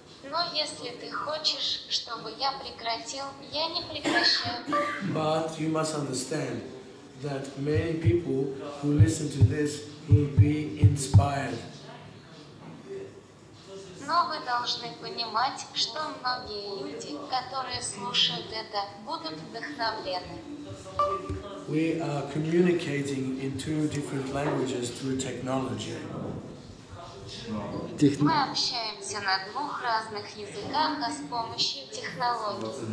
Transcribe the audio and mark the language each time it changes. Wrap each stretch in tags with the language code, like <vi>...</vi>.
<ru>Но если ты хочешь, чтобы я прекратил, я не прекращаю.</ru> <en>But you must understand that many people who listen to this will be inspired.</en> <ru>Но вы должны понимать, что многие люди, которые слушают это, будут вдохновлены.</ru> <en>We are communicating in two different languages through technology.</en> <ru>Мы общаемся на двух разных языках, а с помощью технологий.</ru>